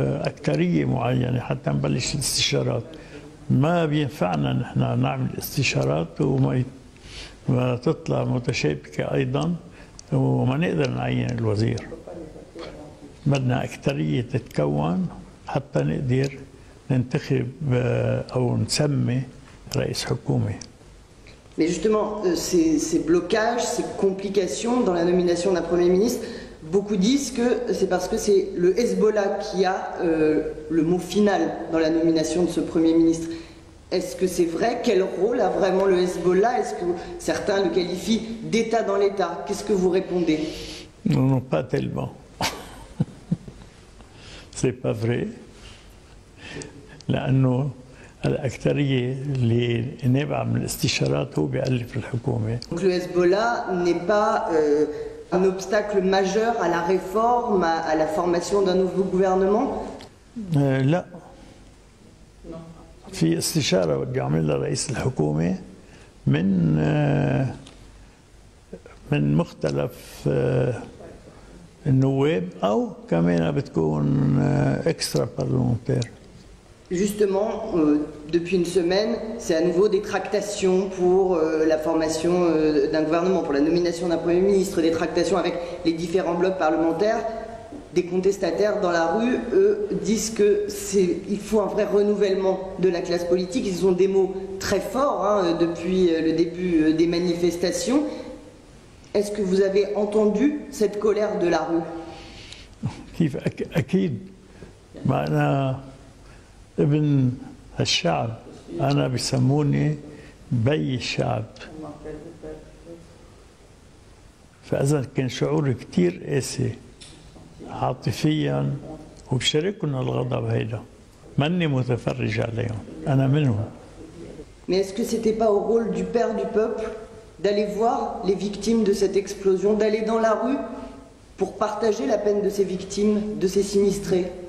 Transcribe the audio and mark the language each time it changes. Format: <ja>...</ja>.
<ar>أكترية معينة حتى نبلش الاستشارات ما بينفعنا نحن نعمل استشارات وما تطلع متشابكة أيضا وما نقدر نعين الوزير بدنا أكترية تتكون حتى نقدر ننتخب أو نسمي رئيس حكومة.</ar> <fr>Mais justement, ces blocages, ces complications dans la nomination d'un premier ministre, beaucoup disent que c'est parce que c'est le Hezbollah qui a le mot final dans la nomination de ce premier ministre. Est-ce que c'est vrai? Quel rôle a vraiment le Hezbollah? Est-ce que certains le qualifient d'État dans l'État? Qu'est-ce que vous répondez? Non, pas tellement. C'est pas vrai.</fr> <ar>لأنه الأكثرية اللي نابعة من الاستشارات هو بيألف الحكومة.</ar> <fr>Donc le Hezbollah n'est pas un obstacle majeur à la réforme, à la formation d'un nouveau gouvernement?</fr> <ar>لا. في استشارة بدي أعملها لرئيس الحكومة من مختلف النواب او كمان بتكون اكسترا بارلمونتير</ar> <fr>justement, depuis une semaine, c'est à nouveau des tractations pour la formation d'un gouvernement, pour la nomination d'un Premier ministre, des tractations avec les différents blocs parlementaires. Des contestataires dans la rue, eux, disent qu'il faut un vrai renouvellement de la classe politique. Ils ont des mots très forts hein, depuis le début des manifestations. Est-ce que vous avez entendu cette colère de la rue ?</fr> <ar>أكيد معنا ابن الشعب انا بسموني بي الشعب فاذا كان شعوري كثير قاسي عاطفيا وبشاركهم الغضب هيدا ماني متفرج عليهم انا منهم</ar> <fr>Mais est-ce que c'était pas au rôle du père du peuple d'aller voir les victimes de cette explosion d'aller dans la rue pour partager la peine de ces victimes, de ces sinistrés.</fr>